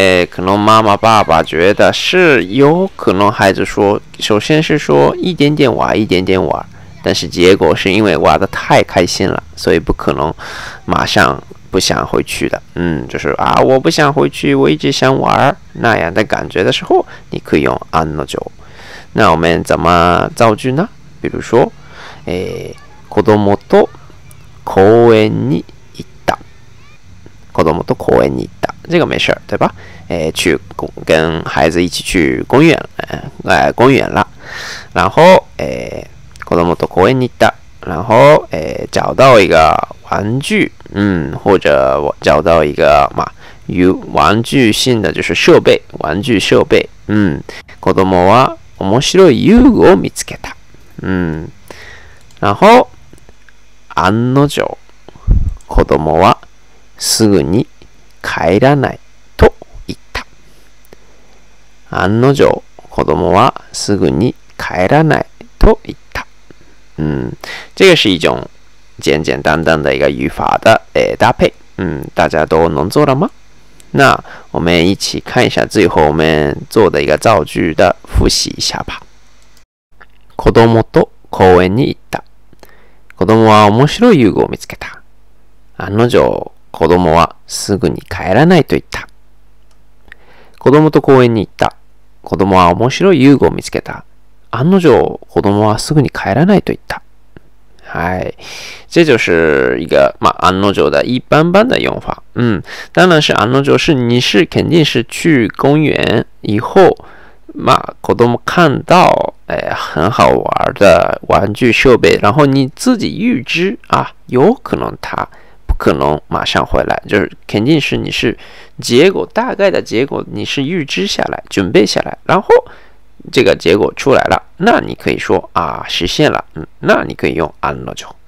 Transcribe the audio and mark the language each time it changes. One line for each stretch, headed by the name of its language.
Chinese: 可能妈妈爸爸觉得是有可能孩子说，首先是说一点点玩一点点玩，但是结果是因为玩得太开心了，所以不可能马上不想回去的，就是啊，我不想回去，我一直想玩那样的感觉的时候，你可以用案の定。那我们怎么造句呢？比如说，
Japanese: 子供と公園に行った。子供と公園に行った，
Chinese: 这个没事对吧？去跟孩子一起去公园，公园了。然后，子供と公園に行った。然后，找到一个玩具。或者我找到一个嘛，有玩具性的就是设备，玩具设备。
Japanese: 子供は面白い遊具を見つけた。然后案の定、子供はすぐに帰らないと言った。案の定、子供はすぐに帰らないと言った。
Chinese: 这个是一种简简单单的一个语法的搭配，大家都能做了吗？那我们一起看一下最后我们做的一个造句的复习一下吧。
Japanese: 子供と公園に行った。子供は面白い遊具を見つけた。案の定、子供はすぐに帰らないと言った。子供と公園に行った。子供は面白い遊具を見つけた。案の定、子供はすぐに帰らないと言った。
Chinese: 哎，这就是一个嘛安诺州的一般般的用法。当然是安诺州是你是肯定是去公园以后嘛，子供看到很好玩的玩具设备，然后你自己预知啊，有可能他不可能马上回来，就是肯定是你是结果大概的结果你是预知下来准备下来，然后这个结果出来了，那你可以说啊实现了，那你可以用案の定。